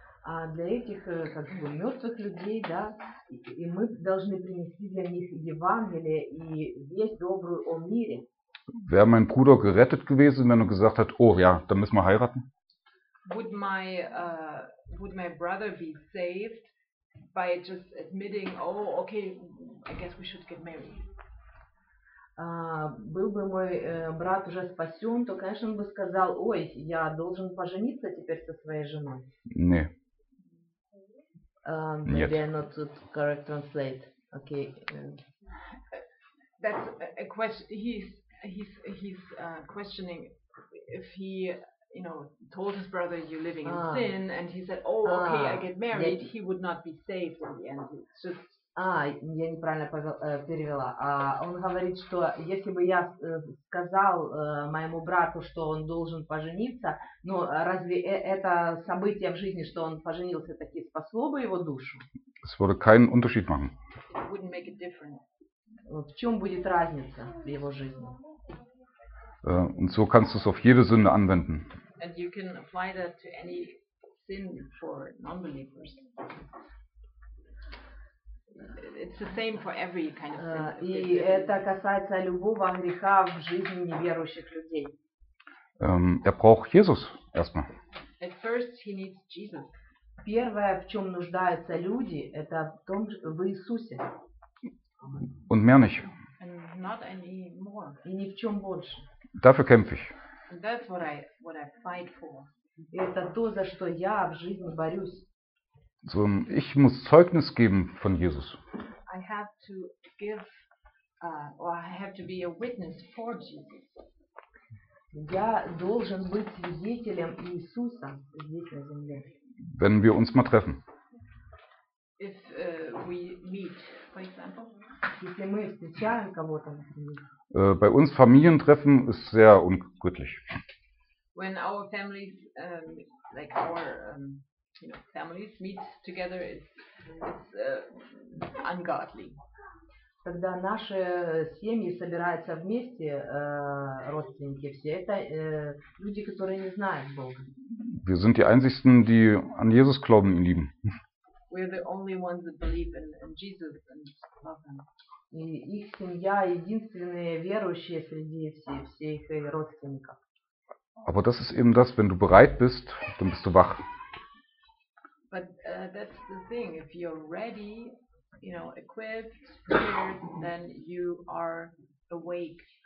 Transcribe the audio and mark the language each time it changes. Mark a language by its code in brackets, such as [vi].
[ru] А для этих как бы мертвых людей, да, и мы должны принести для них Евангелие и весть добрую о мире. [de] Wäre mein Bruder gerettet gewesen, wenn er gesagt hat, oh ja, dann müssen wir heiraten? [en] Would my brother be saved by just admitting, oh, okay, I guess we should get married? [ru] Был бы мой брат уже спасен, то, конечно, он бы сказал, ой, я должен пожениться теперь со своей женой. Не. [en] Maybe I'm not good correct translate. Okay. That's a question. He's questioning if he, you know, told his brother you're living in sin, and he said, oh, okay, I get married. He would not be saved in the end. It's just. [ru] Я неправильно перевела. Он говорит, что если бы я сказал моему брату, что он должен пожениться, но разве это событие в жизни, что он поженился, таки спасло бы его душу? [de] Es würde keinen Unterschied machen. [en] It wouldn't make a difference. [ru] В чем будет разница в его жизни? [de] Und so kannst du es auf jede Sünde anwenden. [en] And you can apply that to any sin for non-believers. It's the same for every kind of sin. [ru] И это касается любого греха в жизни неверующих людей. [de] Braucht Jesus erstmal. [en] At first he needs Jesus. [ru] Первое, в чем нуждаются люди, это в том, в Иисусе. [de] Und mehr nicht. [en] And not any more. [ru] И ни в чем больше. [de] Dafür kämpfe ich. [en] And that's what I fight for. [ru] И это то, за что я в жизни борюсь. [de] So, ich muss Zeugnis geben von Jesus. [en] I have to give, or I have to be a witness for Jesus. [ru] Я должен быть свидетелем Иисуса здесь на земле. [de] Wenn wir uns mal treffen. [en] If we meet, for example. [ru] Если мы встречаем кого-то, например. [de] Bei uns Familientreffen ist sehr ungütlich. [en] When our families, like our you know, families meet together, it's ungodly. [ru] Когда наши семьи собираются вместе, родственники все, это люди, которые не знают Бога. [de] Wir sind die einzigen, die an Jesus glauben und lieben. [en] We are the only ones that believe in Jesus and love him. [ru] И их семья единственные верующие среди всех их родственников. [de] Aber das ist eben das, wenn du bereit bist, dann bist du wach. [en] But that's the thing. If you're ready, you know, equipped, prepared, then you are awake.